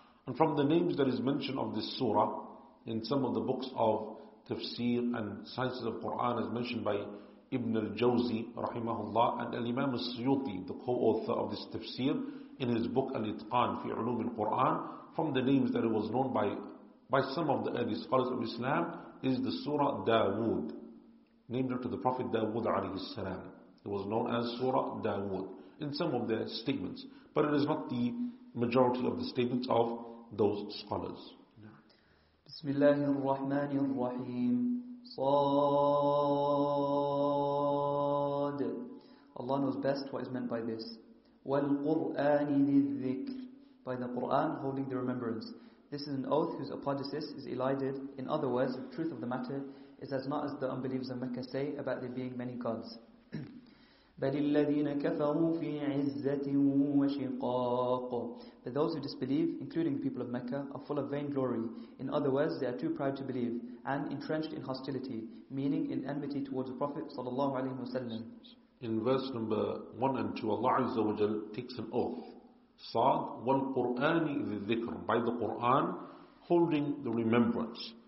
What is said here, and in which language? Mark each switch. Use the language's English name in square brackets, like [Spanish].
[English] And from the names that is mentioned of this surah in some of the books of tafsir and sciences of Quran, as mentioned by Ibn al-Jawzi rahimahullah and al-Imam al-Suyuti, the co-author of this tafsir, in his book Al-Itqan fi Ulum al-Quran, from the names that it was known by some of the early scholars of Islam, is the surah Dawood, named after the Prophet Dawood alayhi salam. It was known as Surah Dawood in some of their statements, but it is not the majority of the statements of those scholars. [Arabic] بسم الله الرحمن الرحيم صاد. [English] Allah knows best what is meant by this. [Arabic] والقرآن ذي الذكر. [English] By the Quran holding the remembrance. This is an oath whose apodosis is elided. In other words, the truth of the matter is as not as the unbelievers of Mecca say about there being many gods. [Arabic] بل الذين كفروا في عزة وشقاق. [English] But those who disbelieve, including the people of Mecca, are full of vainglory. In other words, they are too proud to believe, and entrenched in hostility, meaning in enmity towards the Prophet ﷺ. In verse number 1 and 2, Allah Azza wa Jal takes an oath. [Arabic] صاد والقرآن ذي الذكر. [English] By the Quran holding the remembrance.